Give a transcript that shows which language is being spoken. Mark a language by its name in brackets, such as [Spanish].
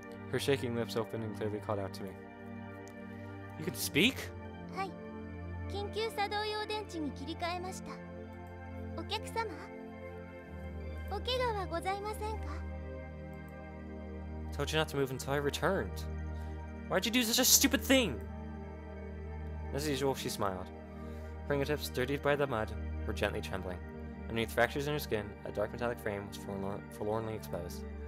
[English] Her shaking lips opened and clearly called out to me. You can speak? Hi. [Japanese] 緊急作動用電池に切り替えました.お客様? お怪我はございませんか? [English] Told you not to move until I returned. Why'd you do such a stupid thing? As usual, she smiled. Fingertips dirtied by the mud were gently trembling. Underneath fractures in her skin, a dark metallic frame was forlornly exposed.